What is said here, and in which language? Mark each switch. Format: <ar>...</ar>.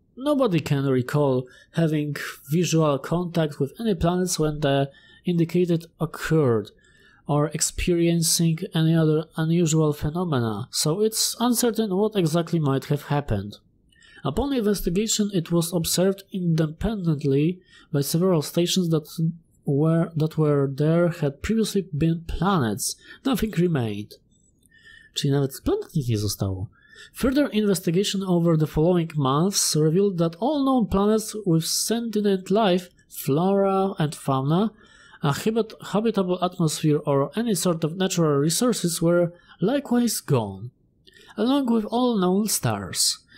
<en>Nobody can recall having visual contact with any planets when the indicated occurred, or experiencing any other unusual phenomena, so it's uncertain what exactly might have happened. Upon investigation, it was observed independently by several stations that were there had previously been planets. Nothing remained.</en> <pl>Czyli nawet planet nie zostało.</pl> <en>Further investigation over the following months revealed that all known planets with sentient life, flora and fauna, a habitable atmosphere or any sort of natural resources were likewise gone, along with all known stars.</en>